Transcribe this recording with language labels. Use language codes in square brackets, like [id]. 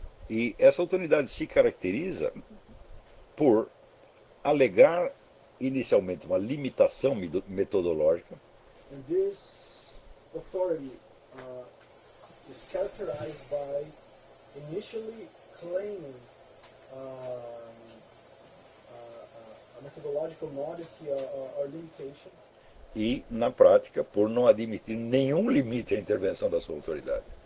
[pt] E essa autoridade se caracteriza por alegar inicialmente uma limitação metodológica. [en] And this authority is characterized by initially claiming a methodological modesty or limitation. [pt] E, na prática, por não admitir nenhum limite à intervenção da sua autoridade.